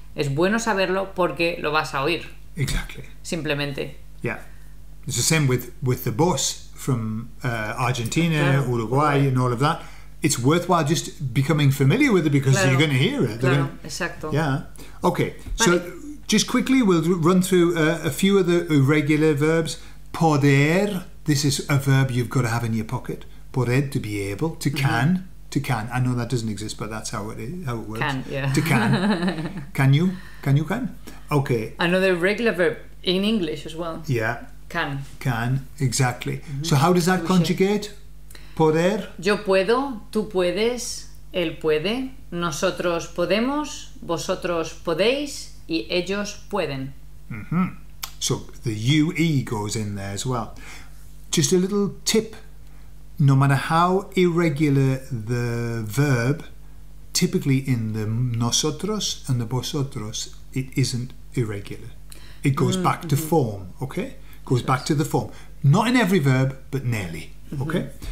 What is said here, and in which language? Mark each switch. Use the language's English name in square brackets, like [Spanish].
[Spanish] Es bueno saberlo porque lo vas a oír. [English] Exactly. [Spanish] Simplemente. [English] Yeah. It's the same with the boss from Argentina, claro. Uruguay, and all of that. It's worthwhile just becoming familiar with it because claro. You're going to hear it. [Spanish] Claro, exacto. [English] Yeah. Okay. Vale. So just quickly, we'll run through a few of the irregular verbs. Poder. This is a verb you've got to have in your pocket. Poder, to be able. To can. Mm-hmm. To can. I know that doesn't exist, but that's how it works. Can, yeah. To can. Can you? Can you can? Okay. Another regular verb in English as well. Yeah. Can. Can, exactly. Mm-hmm. So how does that conjugate? Poder. [Spanish] Yo puedo, tú puedes, él puede, nosotros podemos, vosotros podéis, y ellos pueden. Mm-hmm. [English] So the U-E goes in there as well. Just a little tip. No matter how irregular the verb, typically in the nosotros and the vosotros, it isn't irregular. It goes back to form, okay? Goes back to the form. Not in every verb, but nearly, okay?